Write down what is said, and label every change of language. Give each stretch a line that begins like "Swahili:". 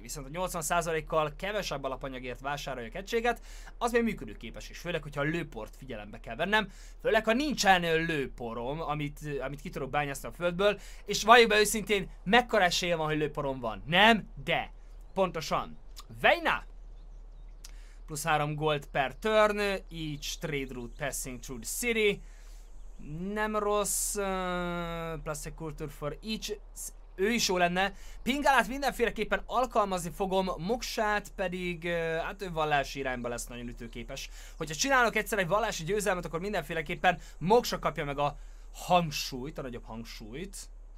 Hungarian: Viszont a 80%-kal kevesebb alapanyagért vásároljuk egységet, az még működőképes is, főleg, hogyha a lőport figyelembe kell vennem, főleg, ha nincsen lőporom, amit ki tudok bányászni a földből, és valljuk be őszintén, mekkora esélye van, hogy lőporom van. Nem, de pontosan. Vejna!
English: Plusz 3 gold per turn, each trade route passing through the city.
Hungarian: Nem rossz,
English: plastic culture for each,
Hungarian: ő is jó lenne. Pingálát mindenféleképpen alkalmazni fogom, Moksát pedig, hát ő vallási irányba lesz nagyon ütőképes. Hogyha csinálok egyszer egy vallási győzelmet, akkor mindenféleképpen Moksa kapja meg a hangsúlyt, a nagyobb hangsúlyt.